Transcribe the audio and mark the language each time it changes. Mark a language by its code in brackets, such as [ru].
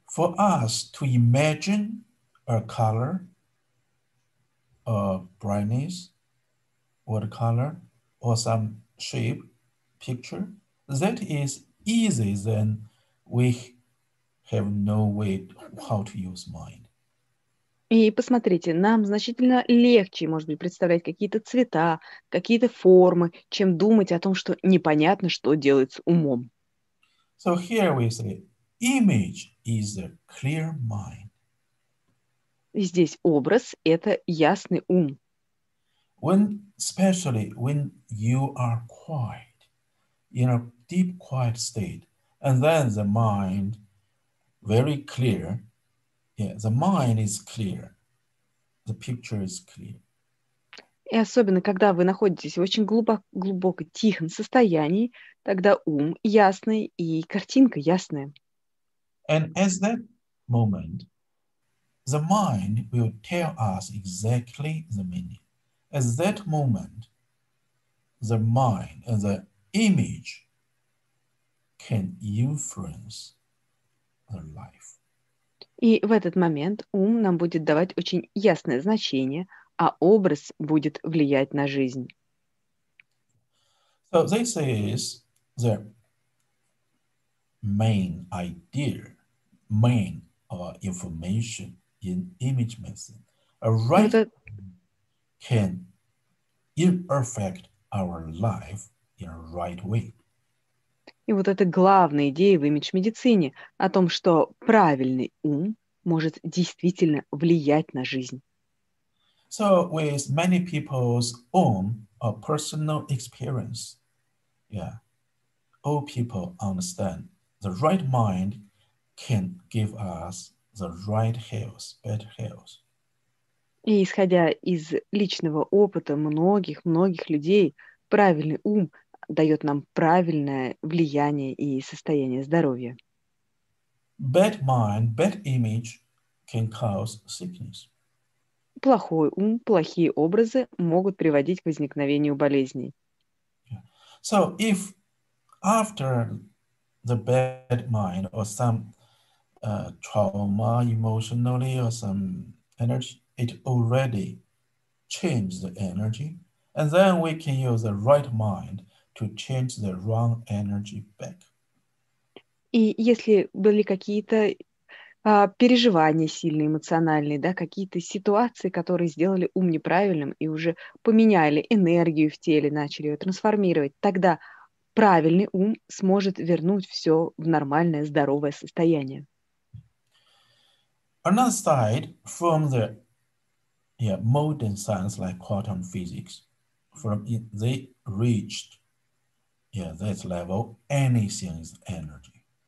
[en] For us to imagine a color, a brightness, what color, or some shape, picture, that is easy than we have no way how to use mind. [ru] И посмотрите, нам значительно легче, может быть, представлять какие-то цвета, какие-то формы, чем думать о том, что непонятно, что делать с умом. [en] So here we say, image is a clear mind. [ru] И здесь образ — это ясный ум. [en] especially when you are quiet, in a deep quiet state, and then the mind very clear. Yeah, the mind is clear. The picture is clear. [ru] И особенно, когда вы находитесь в очень глубоко тихом состоянии, тогда ум ясный и картинка ясная. [en] And at that moment, the mind will tell us exactly the meaning. At that moment, the mind and the image can influence the life. [ru] И в этот момент ум нам будет давать очень ясное значение, а образ будет влиять на жизнь. [en] So this is the main idea, main information in image medicine. A right can affect our life in a right way. [ru] И вот это главная идея в имидж-медицине о том, что правильный ум может действительно влиять на жизнь. [en] So with many people's own personal experience, yeah, all people understand the right mind can give us the right health, better health. [ru] И исходя из личного опыта многих людей, правильный ум дает нам правильное влияние и состояние здоровья. [en] Bad mind, bad image can cause sickness. [ru] Плохой ум, плохие образы могут приводить к возникновению болезней. [en] So if after the bad mind or some trauma emotionally or some energy, it already changed the energy, and then we can use the right mind to change the wrong energy back. [ru] И если были какие-то переживания сильные, эмоциональные, да, какие-то ситуации, которые сделали ум неправильным и уже поменяли энергию в теле, начали ее трансформировать, тогда правильный ум сможет вернуть все в нормальное, здоровое состояние. [en] Another side from the modern science like quantum physics, from it, they reached that level, anything is energy.